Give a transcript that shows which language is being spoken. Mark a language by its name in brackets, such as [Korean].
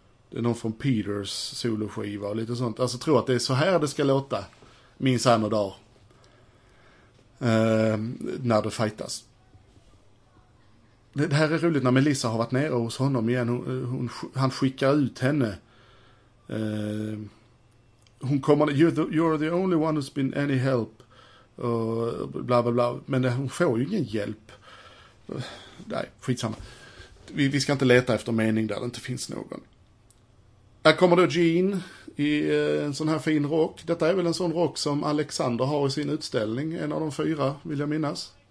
[Swedish] Det är någon från Peters soloskiva och lite sånt. Alltså tror att det är så här det ska låta min sann och dag. När det fightas. Det här är roligt när Melissa har varit nere hos honom igen. Han skickar ut henne. Hon kommer, [English] you're the only one who's been any help. [Swedish] Och bla bla bla. Men hon får ju ingen hjälp. Nej, skitsamma. Vi ska inte leta efter mening där det inte finns någon. Här kommer då Jean i en sån här fin rock. Detta är väl en sån rock som Alexander har i sin utställning. En av de fyra, vill jag minnas.